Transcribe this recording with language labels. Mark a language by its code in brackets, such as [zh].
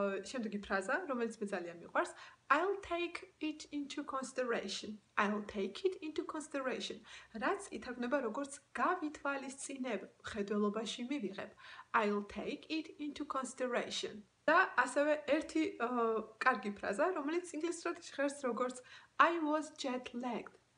[ka] შემდეგი ფრაზა, რომელიც მე ძალიან მიყვარს, [en] I'll take it into consideration. I'll take it into consideration. [ka] რაც ითარგმნება როგორც გავითვალისწინებ, ხედველობაში მივიღებ. [en] I'll take it into consideration. [ka] და ასევე ერთი კარგი ფრაზა, რომელიც ინგლისურად ჟღერს როგორც [en] I was jet lagged.